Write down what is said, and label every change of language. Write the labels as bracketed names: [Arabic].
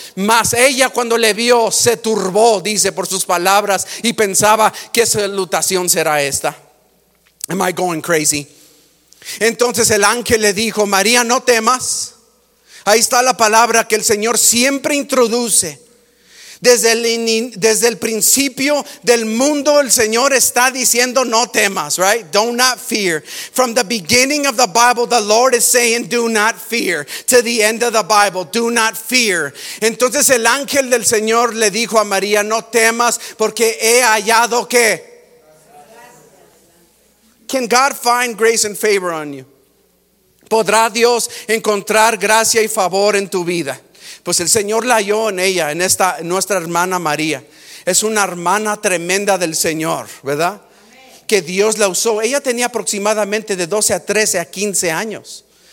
[Spanish] Mas ella cuando le vio se turbó, dice, por sus palabras y pensaba, ¿qué salutación será esta? [English] Am I going crazy? [Spanish] Entonces el ángel le dijo, María, no temas. Ahí está la palabra que el Señor siempre introduce. Desde el principio del mundo, el Señor está diciendo, no temas, right? [English] Do not fear. From the beginning of the Bible, the Lord is saying, do not fear. To the end of the Bible, do not fear. [Spanish] Entonces el ángel del Señor le dijo a María, no temas, porque he hallado que. [English] Can God find grace and favor on you? [Spanish] ¿Podrá Dios encontrar gracia y favor en tu vida? Pues el Señor la halló en ella, en esta nuestra hermana María. Es una hermana tremenda del Señor, ¿verdad? Que Dios la usó. Ella tenía aproximadamente de 12 a 13 a 15 años.